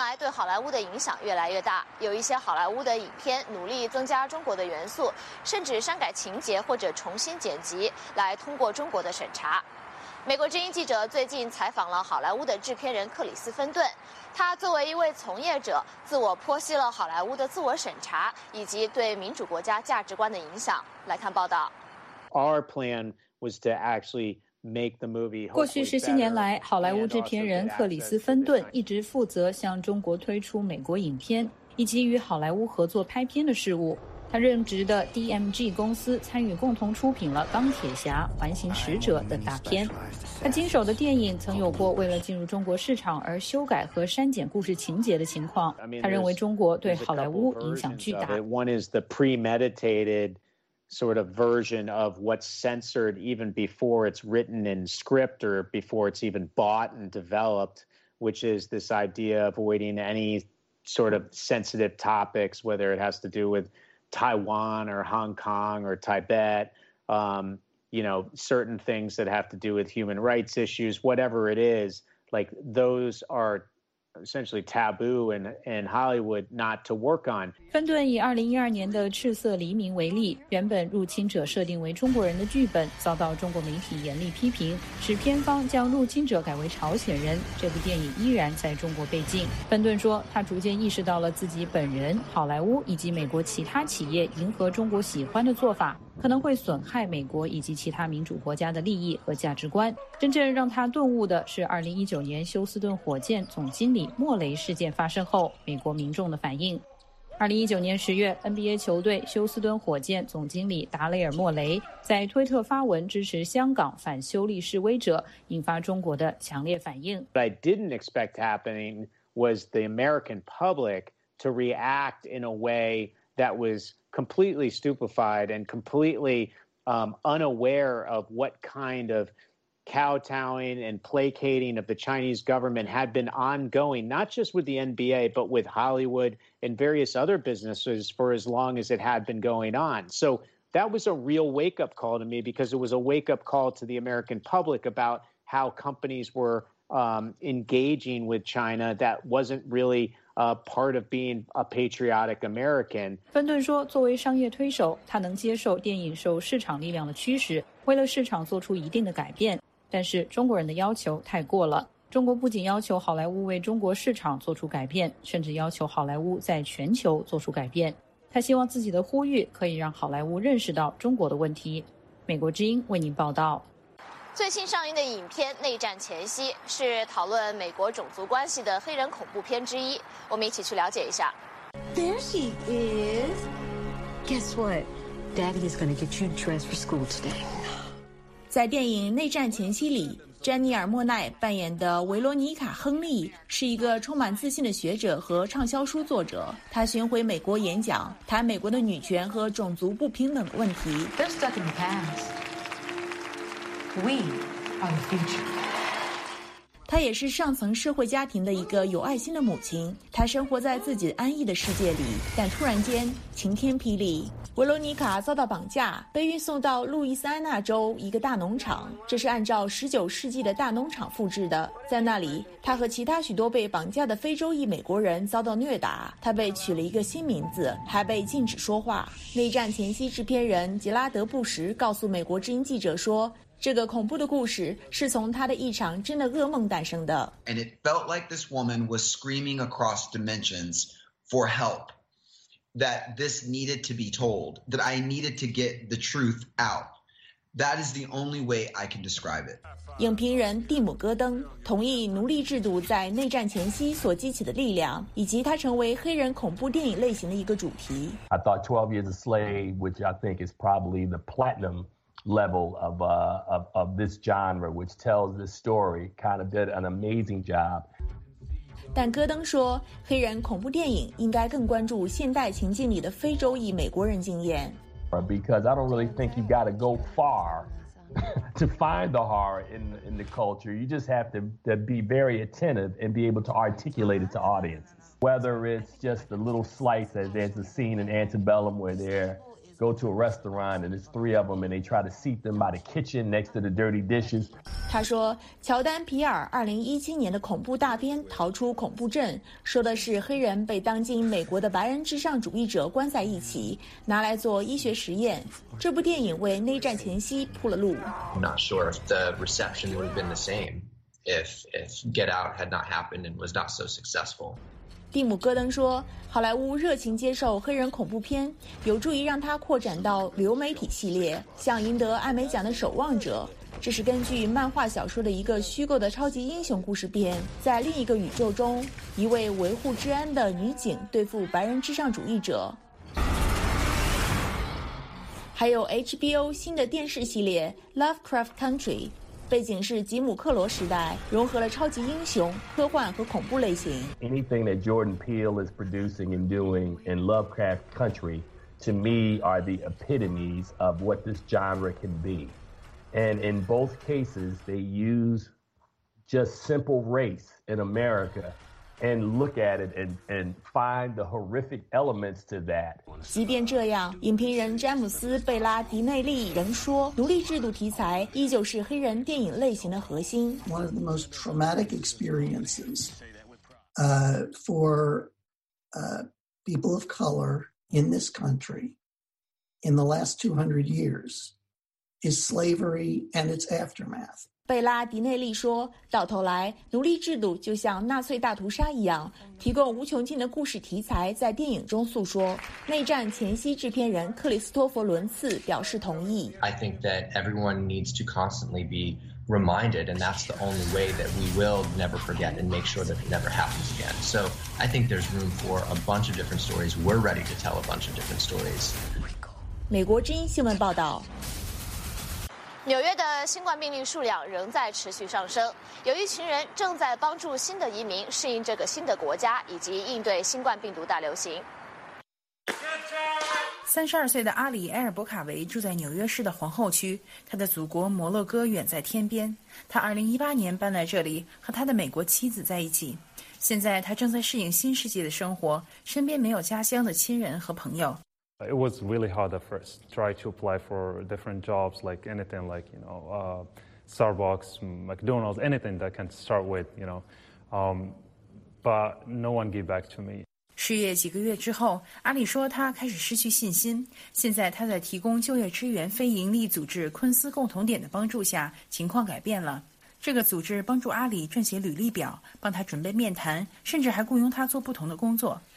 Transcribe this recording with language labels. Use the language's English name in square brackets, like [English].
[Chinese] 好莱坞的影响越来越大，有一些好莱坞的影片努力增加中国的元素，甚至删改情节或者重新剪辑来通过中国的审查。美国之音记者最近采访了好莱坞的制片人克里斯芬顿，他作为一位从业者，自我剖析了好莱坞的自我审查以及对民主国家价值观的影响。来看报道。 [English] Our plan was to actually make the movie. [Chinese] 过去十七年来，好莱坞制片人克里斯芬顿一直负责向中国推出美国影片以及与好莱坞合作拍片的事务。他任职的 DMG 公司参与共同出品了《钢铁侠》《环形使者》等大片。他经手的电影曾有过为了进入中国市场而修改和删减故事情节的情况。他认为中国对好莱坞影响巨大。 [English] One is the premeditated. Sort of version of what's censored even before it's written in script or before it's even bought and developed, which is this idea of avoiding any sort of sensitive topics, whether it has to do with Taiwan or Hong Kong or Tibet, you know, certain things that have to do with human rights issues, whatever it is, like those are. Essentially taboo in Hollywood not to work on. [Chinese] 芬顿以2012年的《赤色黎明》为例，原本入侵者设定为中国人的剧本遭到中国媒体严厉批评，使片方将入侵者改为朝鲜人，这部电影依然在中国被禁。芬顿说，他逐渐意识到了自己本人、好莱坞以及美国其他企业迎合中国喜欢的做法可能会损害美国以及其他民主国家的利益和价值观。真正让他顿悟的是2019年休斯顿火箭总经理莫雷事件发生后美国民众的反应。 2019年10月 NBA 球队休斯顿火箭总经理达雷尔莫雷在推特发文支持香港反修例示威者，引发中国的强烈反应。 [English] What I didn't expect happening was the American public to react in a way that wascompletely stupefied and completely unaware of what kind of kowtowing and placating of the Chinese government had been ongoing, not just with the NBA, but with Hollywood and various other businesses for as long as it had been going on. So that was a real wake-up call to me because it was a wake-up call to the American public about how companies were engaging with China that wasn't reallypart of being a patriotic American. [Chinese] 芬顿说，作为商业推手，他能接受电影受市场力量的驱使，为了市场做出一定的改变。但是中国人的要求太过了。中国不仅要求好莱坞为中国市场做出改变，甚至要求好莱坞在全球做出改变。他希望自己的呼吁可以让好莱坞认识到中国的问题。美国之音为您报道。最新上映的影片《内战前夕》是讨论美国种族关系的黑人恐怖片之一，我们一起去了解一下。 [English] There she is. Guess what? Daddy is going to get you dressed for school today. [Chinese] 在电影《内战前夕》里，詹妮尔·莫奈扮演的维罗尼卡·亨利是一个充满自信的学者和畅销书作者。她巡回美国演讲，谈美国的女权和种族不平等问题。 [English] They're stuck in the past.We are the future. [Chinese] 她也是上层社会家庭的一个有爱心的母亲，她生活在自己安逸的世界里，但突然间晴天霹雳，维罗妮卡遭到绑架，被运送到路易斯安那州一个大农场，这是按照19世纪的大农场复制的。在那里，她和其他许多被绑架的非洲裔美国人遭到虐打，她被取了一个新名字，还被禁止说话。内战前夕制片人杰拉德·布什告诉美国之音记者说，这个恐怖的故事是从他的一场真的噩梦诞生的。 [English] And it felt like this woman was screaming across dimensions for help, that this needed to be told, that I needed to get the truth out. That is the only way I can describe it. [Chinese] 影评人蒂姆·戈登同意奴隶制度在内战前夕所激起的力量，以及它成为黑人恐怖电影类型的一个主题。 [English] I thought 12 Years a Slave, which I think is probably the platinum. level of this genre, which tells this story, kind of did an amazing job. [Chinese] 但戈登说，黑人恐怖电影应该更关注现代情境里的非洲裔美国人经验。 [English] Because I don't really think you got to go far to find the horror in the culture. You just have to be very attentive and be able to articulate it to audiences. Whether it's just a little slice, as there's a scene in Antebellum where they're go to a restaurant and it's three of them and they try to seat them by the kitchen next to the dirty dishes. [Chinese] 他说乔丹皮尔2017年的恐怖大片逃出恐怖镇说的是黑人被当今美国的白人至上主义者关在一起拿来做医学实验，这部电影为内战前夕铺了路。 [English] I'm not sure if the reception would have been the same if Get Out had not happened and was not so successful. [Chinese] 蒂姆·戈登说，好莱坞热情接受黑人恐怖片有助于让它扩展到流媒体系列，像赢得艾美奖的《守望者》，这是根据漫画小说的一个虚构的超级英雄故事片，在另一个宇宙中，一位维护治安的女警对付白人至上主义者。还有 HBO 新的电视系列 Lovecraft Country，背景是吉姆·克罗时代，融合了超级英雄、科幻和恐怖类型。 [English] Anything that Jordan Peele is producing and doing in Lovecraft Country, to me, are the epitomes of what this genre can be. And in both cases, they use just simple race in America. And look at it and find the horrific elements to that. [Chinese] 即便这样，影评人詹姆斯·贝拉·迪内利仍说，奴隶制度题材依旧是黑人电影类型的核心。 [English] One of the most traumatic experiences for people of color in this country in the last 200 years is slavery and its aftermath. [Chinese] 贝拉·迪内利说，到头来奴隶制度就像纳粹大屠杀一样，提供无穷尽的故事题材在电影中诉说。内战前夕制片人克里斯托弗·伦茨表示同意。 [English] I think that everyone needs to constantly be reminded and that's the only way that we will never forget and make sure that it never happens again. So I think there's room for a bunch of different stories. We're ready to tell a bunch of different stories. [Chinese] 美国之音新闻报道。纽约的新冠病例数量仍在持续上升，有一群人正在帮助新的移民适应这个新的国家以及应对新冠病毒大流行。 32岁的阿里·埃尔伯卡维住在纽约市的皇后区，他的祖国摩洛哥远在天边，他2018年搬来这里和他的美国妻子在一起，现在他正在适应新世界的生活，身边没有家乡的亲人和朋友。 [English] It was really hard at first. Try to apply for different jobs, like anything, like, you know, Starbucks, McDonald's, anything that can start with, you know. But no one gave back to me. [Chinese] 失业几个月之后，阿里说他开始失去信心。现在他在提供就业支援非盈利组织昆斯共同点的帮助下，情况改变了。这个组织帮助阿里撰写履历表，帮他准备面谈，甚至还雇佣他做不同的工作。